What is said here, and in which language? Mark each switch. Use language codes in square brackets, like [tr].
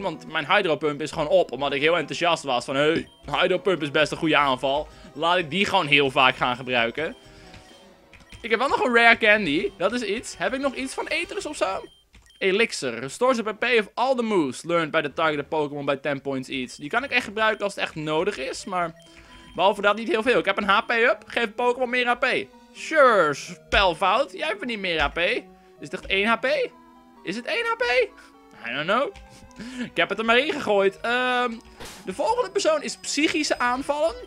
[nl] Want mijn Hydro Pump is gewoon op. Omdat ik heel enthousiast was van, hey, Hydro Pump is best een goede aanval. Laat ik die gewoon heel vaak gaan gebruiken. Ik heb wel nog een Rare Candy. Dat is iets. Heb ik nog iets van Aethers of zo? Elixir. [en] Restores the PP of all the moves learned by the targeted Pokémon by 10 points each. [nl] Die kan ik echt gebruiken als het echt nodig is. Maar behalve dat niet heel veel. Ik heb een HP up. Geef Pokémon meer HP. Sure, spelfout. Jij hebt niet meer HP. Is het echt 1 HP? Is het 1 HP? [en] I don't know. [nl] Ik heb het er maar in gegooid. De volgende persoon is psychische aanvallen.